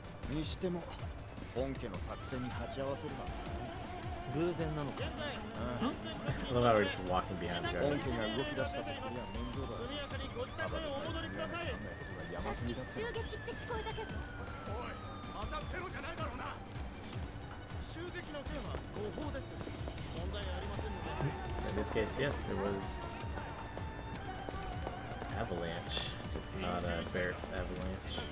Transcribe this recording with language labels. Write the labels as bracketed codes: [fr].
[ja] にしても本家の作戦に立ち合わせるな。偶然なのか。 [en] I love how we're just walking behind the guards. [ja] 本家が動き出したとすれば面倒だ。速やかにご自宅へお戻りください。山積みだった。襲撃って聞こえたけど。おい、またテロじゃないだろうな。襲撃の件は誤報です。問題ありませんので。 [en] In this case, yes, it was avalanche, just not a barracks avalanche.